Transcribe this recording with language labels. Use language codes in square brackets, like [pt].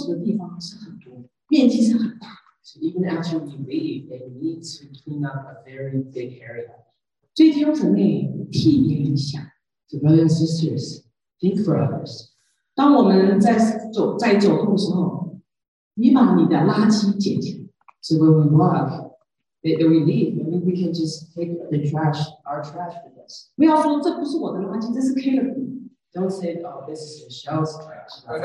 [zh] 所以我们走之后呢，他们要收拾的地方是很多，面积是很大。 [en] So even after we leave, they need to clean up a very big area. [zh] 对弟兄姊妹，替别人想。 [en] So brothers and sisters, think for others. [zh] 当我们在走在走动的时候，你把你的垃圾捡起来。 [en] So when we walk, that we leave, maybe we can just take the trash, our trash with us. [zh] 不要说这不是我的垃圾，这是Caleb。 [en] Don't say, oh, this is Michelle's trash.